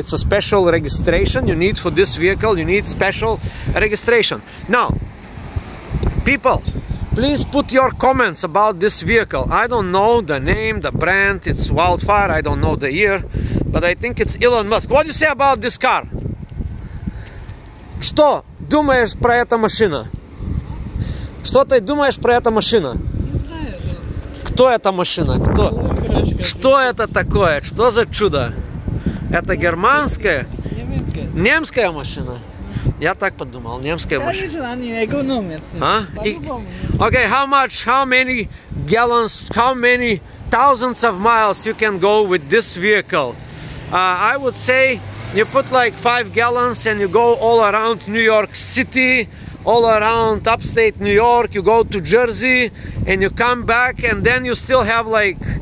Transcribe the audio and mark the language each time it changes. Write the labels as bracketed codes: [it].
[en] It's a special registration you need for this vehicle. You need special registration. Now, people, please put your comments about this vehicle. I don't know the name, the brand, it's Wildfire, I don't know the year, but I think it's Elon Musk. What do you say about this car? [ru] Что думаешь про эту машину? Что ты думаешь про эту машину? Не знаю. Кто эта машина? Кто? Что это такое? Что за чудо? Это германская? Немецкая. Немская машина? Я так подумал, немская машина. Конечно, они экономят. А? [en] Okay, how many thousands of miles you can go with this vehicle? I would say you put like 5 gallons and you go all around New York City, all around upstate New York, you go to Jersey and you come back, and then you still have like